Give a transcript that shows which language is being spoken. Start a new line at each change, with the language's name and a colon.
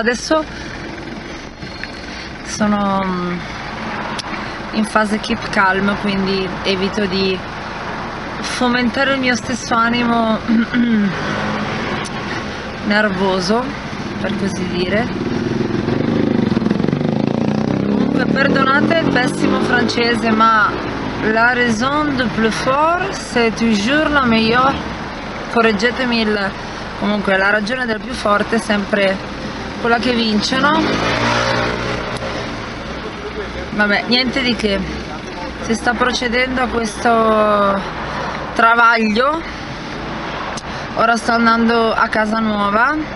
Italian: Adesso sono in fase keep calm, quindi evito di fomentare il mio stesso animo nervoso, per così dire. Comunque, perdonate il pessimo francese, ma
French: la raison de plus fort c'est toujours la meilleure.
Italian: Correggetemi il... Comunque, la ragione del più forte è sempre quella che vince, no? Vabbè, niente di che. Si sta procedendo a questo travaglio. Ora sto andando a casa nuova.